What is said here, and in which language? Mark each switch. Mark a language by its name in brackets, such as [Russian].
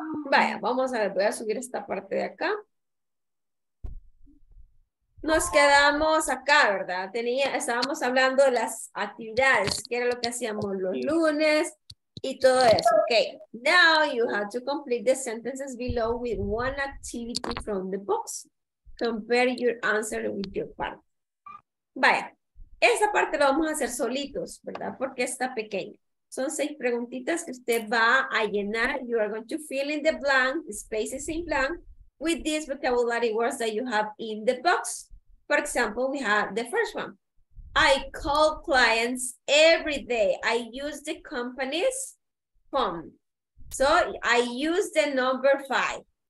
[Spanish] Vaya, vamos a ver, voy a subir esta parte de acá. Nos quedamos acá, ¿verdad? Estábamos hablando de las actividades, que era lo que hacíamos los lunes y todo eso. [English] Okay, now you have to complete the sentences below with one activity from the box. Compare your answer with your part. [Spanish] Vaya, esa parte la vamos a hacer solitos, ¿verdad? Porque está pequeña. Son 6 preguntitas que usted va a llenar. [English] You are going to fill in the blank, the spaces in blank, with these vocabulary words that you have in the box. For example, we have the first one. I call clients every day. I use the company's phone. So I use the number 5.